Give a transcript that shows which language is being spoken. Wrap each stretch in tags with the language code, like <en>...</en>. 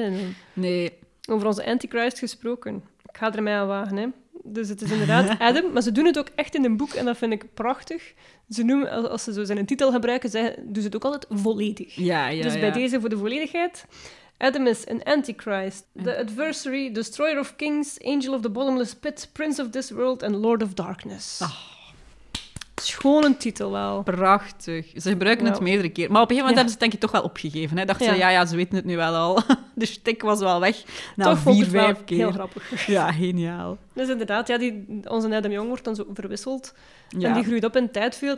<nl>Hè? Nee. Over onze Antichrist gesproken. Ik ga er mij aan wagen, hè. Dus het is inderdaad Adam. Maar ze doen het ook echt in een boek en dat vind ik prachtig. Ze noemen, als ze zo zijn een titel gebruiken, doen ze het ook altijd volledig. Ja, ja, dus ja. Bij deze voor de volledigheid. Adam is een Antichrist.</nl> <en>The adversary, destroyer of kings, angel of the bottomless pit, prince of this world and lord of darkness. Oh.</en> <nl>Gewoon een titel wel. Prachtig. Ze gebruiken het meerdere keer. Maar op een gegeven moment hebben ze het denk ik toch wel opgegeven. Dachten ze, ze weten het nu wel al. De shtick was wel weg. Na toch 4, 5 keer. Heel grappig. Ja, geniaal. Dus inderdaad, ja, onze Adam Young wordt dan zo verwisseld. Ja. En die groeit op in Tijdfield.</nl>